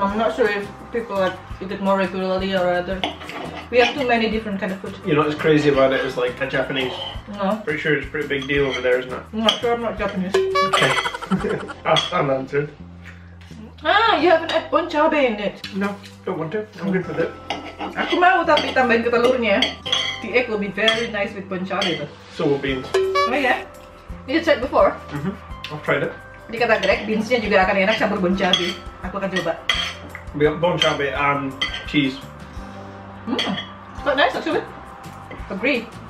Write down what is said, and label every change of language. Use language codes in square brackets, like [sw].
[en] I'm not sure if people like eat it more regularly or other. We have too many different kind of food. You're not as crazy about it as like a Japanese? No. Pretty sure it's a pretty big deal over there, isn't it? I'm not sure, I'm not Japanese. Okay. I'm answered. Ah, you haven't had bon cabe in it. No, don't want to. I'm good with it. [id] Aku mau tapi tambahin ke telurnya. [en] The egg will be very nice with bon cabe. So will beans. Oh yeah. You tried before? I've tried it. [id] Jadi kata Greg, beansnya juga akan enak campur bon cabe. Aku akan coba. [en] Bon cabe and cheese. Quite nice actually. Agree.